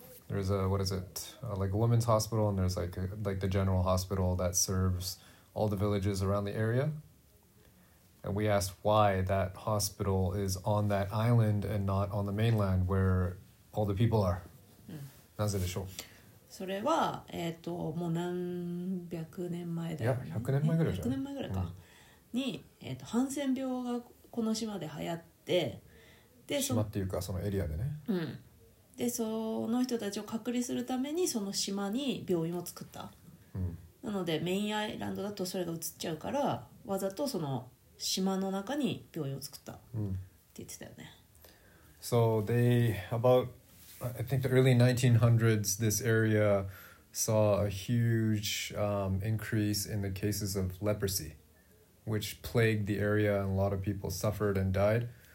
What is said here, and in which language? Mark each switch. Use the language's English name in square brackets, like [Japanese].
[English] Like a women's hospital and there's like the general hospital that serves all the villages around the area. And we asked why that hospital is on that island and not on the mainland where all the people are. [Japanese] なぜでしょう? それは、もう何百年前だよね。いや、100年前ぐらいじゃん。100年前ぐらいか。に、ハンセン病がこの島で流行ってで島っていうかそのエリアでね、うん、でその人たちを隔離するためにその島に病院を作った、うん、なのでメインアイランドだとそれが移っちゃうからわざとその島の中に病院を作った、うん、って言ってたよね [English] So they about I think the early 1900s this area saw a huge increase in the cases of leprosy which plagued the area and a lot of people suffered and died.